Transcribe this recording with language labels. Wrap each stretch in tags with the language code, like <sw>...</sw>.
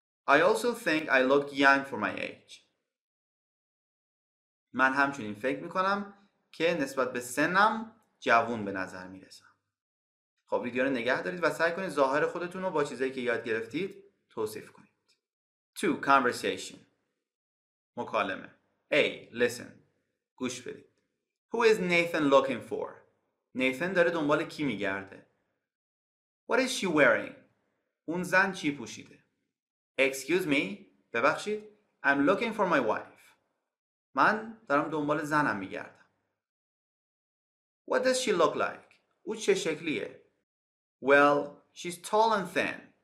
<en>I also think I look young for my age.</en> <fa>من همچنین فکر میکنم که نسبت به سنم جوون به نظر میرسم. خب ویدیو رو نگه دارید و سعی کنید ظاهر خودتون رو با چیزایی که یاد گرفتید توصیف کنید.</fa> <en>2. Conversation.</en> <fa>مکالمه.</fa> <en>A. Listen.</en> <fa>گوش بدید.</fa> <en>Who is Nathan looking for? Nathan</en> <fa>داره دنبال کی میگرده؟</fa> <en>What is she wearing?</en> <fa>اون زن چی پوشیده؟</fa> <en>Excuse me.</en> <fa>ببخشید.</fa> <en>I'm looking for my wife.</en> <fa>من دارم دنبال زنم میگردم.</fa> <en>What does she look like?</en> <fa>او چه شکلیه؟</fa> <en>Well, she's tall and thin.</en>